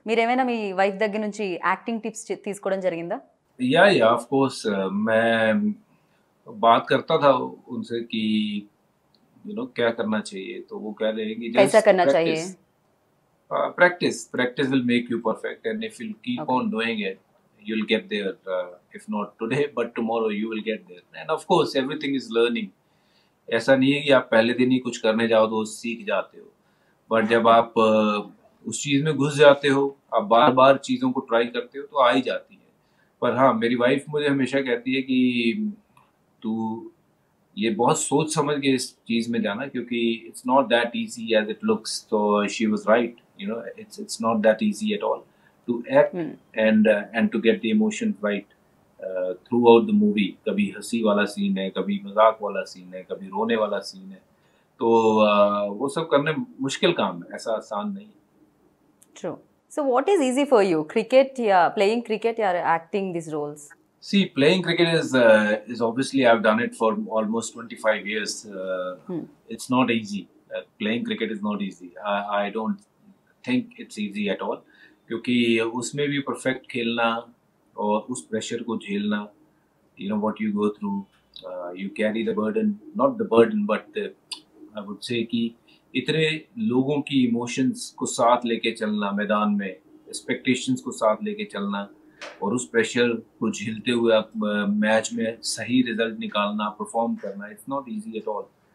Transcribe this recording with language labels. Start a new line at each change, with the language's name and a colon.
Telugu: మీరు ఏమైనా మీ వైఫ్ దగ్గర నుంచి యాక్టింగ్ టిప్స్ తీసుకోవడం జరిగిందా?
English: yeah of course,
Hindi: May bath కర్తా థా ఉన్సే కి
English: you know
Hindi: क्या करना चाहिए, तो वो कह रहे हैं कि कैसा जस्ट करना चाहिए?
English: Practice practice practice will make you perfect, and if you keep on doing it you will get there, if not today but tomorrow you will get there, and of course everything is learning.
Hindi: ऐसा नहीं है कि आप पहले दिन ही कुछ करने जाओ तो सीख जाते हो, बट जब आप उसको उस चीज में घुस जाते हो, आप बार बार चीजों को ट्राई करते हो तो आ ही जाती है। पर हाँ, मेरी वाइफ मुझे हमेशा कहती है कि तू ये बहुत सोच समझ के इस चीज में जाना, क्योंकि
English: It's not that easy as it looks. तो she was right, you know, it's not that easy at all to act and to get the emotion right throughout the movie.
Hindi: कभी हंसी वाला सीन है, कभी मजाक वाला scene है, कभी रोने वाला सीन है, तो वो सब करने मुश्किल काम है, ऐसा आसान नहीं है।
English: True. So what is easy for you? Cricket या playing cricket या acting these roles? See, playing cricket is obviously, I've done it for almost 25 years. It's not easy. Playing cricket is not easy. I don't think it's easy at all,
Hindi: क्योंकि उसमें भी perfect खेलना और उस pressure को झेलना,
English: you know what you go through, you carry the burden, not the burden but I would say
Hindi: कि इतने लोगों की इमोशंस को साथ लेके चलना मैदान में, एक्सपेक्टेशंस को साथ लेके चलना और उस प्रेशर को झेलते हुए आप मैच में सही रिजल्ट निकालना, परफॉर्म करना,
English: It's not easy at all.